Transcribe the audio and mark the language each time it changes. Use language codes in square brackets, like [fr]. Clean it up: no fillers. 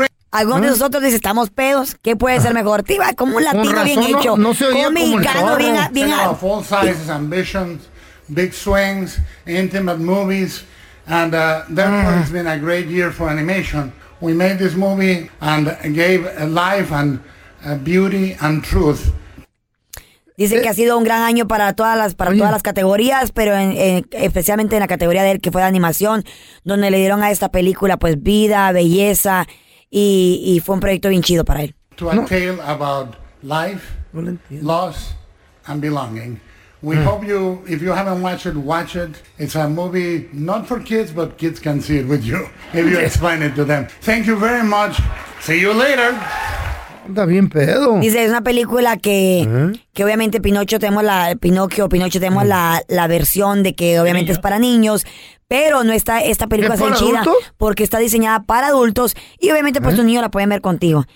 [es] Algunos de nosotros dicen, estamos pedos, ¿qué puede ser mejor? Tiba, como un latino bien hecho. No se oye como mexicano, bien hecho. [en] Full sizes, ambitions, big swings, intimate movies, and therefore it's been a great year for animation. We made this movie and gave life and beauty and truth. [es] Dice que ha sido un gran año para todas las categorías, pero especialmente en la categoría de él, que fue de animación, donde le dieron a esta película pues vida, belleza. Y fue un proyecto bien chido para él. [en] To a tale about life, loss, and belonging. We hope you, if you haven't watched it, watch it. It's a movie not for kids, but kids can see it with you if you explain it to them. Thank you very much. See you later. [es] Está bien pedo. Dice, es una película que obviamente Pinocho tenemos la versión de que obviamente es para niños. Pero no está esta película tan chida porque está diseñada para adultos y obviamente pues tu niño la puede ver contigo.